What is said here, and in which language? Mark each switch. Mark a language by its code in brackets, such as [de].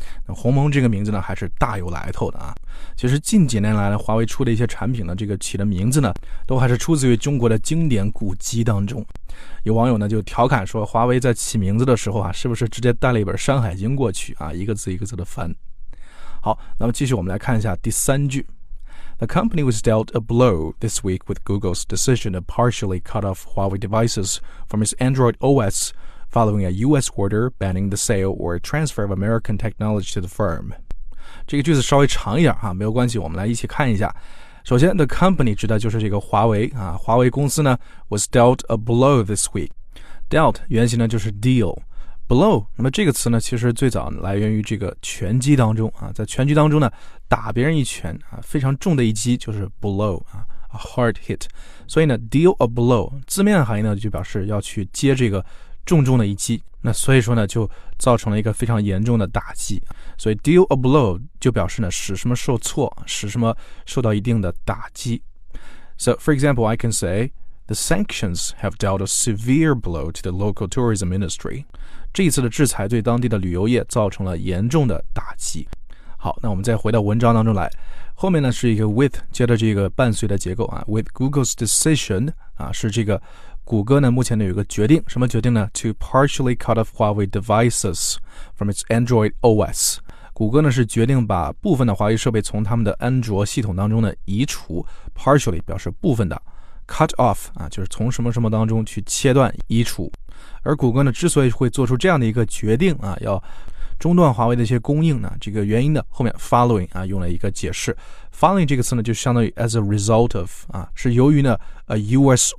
[zh] 那鸿蒙这个名字呢还是大有来头的啊。其实近几年来呢华为出的一些产品呢这个起的名字呢都还是出自于中国的经典古籍当中。有网友呢就调侃说华为在起名字的时候啊是不是直接带了一本山海经过去啊，一个字一个字的翻。好，那么继续我们来看一下第三句。 [en] The company was dealt a blow this week with Google's decision to partially cut off Huawei devices from its Android OS,following a U.S. order banning the sale or transfer of American technology to the firm. [zh] 这个句子稍微长一点啊，没有关系，我们来一起看一下。首先 [en] the company [zh] 指的就是这个华为啊，华为公司呢 [en] was dealt a blow this week. [zh] Dealt 原型呢就是 deal. Blow 那么这个词呢其实最早来源于这个拳击当中啊，在拳击当中呢打别人一拳啊，非常重的一击就是 blow 啊， [en] a hard hit. [zh] 所以呢 [en] deal a blow [zh] 字面含义呢就表示要去接这个重重的一击，那所以说呢就造成了一个非常严重的打击，所以 deal a blow 就表示呢使什么受挫，使什么受到一定的打击。 [en] So for example I can say the sanctions have dealt a severe blow to the local tourism industry. [zh] 这一次的制裁对当地的旅游业造成了严重的打击。好，那我们再回到文章当中来，后面呢是一个 with 接着这个伴随的结构啊 ， [en] with Google's decision [zh] 啊，是这个谷歌呢目前呢有一个决定，什么决定呢 ？ [en] To partially cut off Huawei devices from its Android OS。 [zh] 谷歌呢是决定把部分的华为设备从他们的安卓系统当中呢移除 ，partially 表示部分的 ，cut off 啊就是从什么什么当中去切断移除，而谷歌呢之所以会做出这样的一个决定啊，要中断华为的一些供应呢，这个原因的后面 following 啊用了一个解释 ，following 这个词呢就相当于 [en] as a result of [zh] 啊是由于呢 [en] a U.S.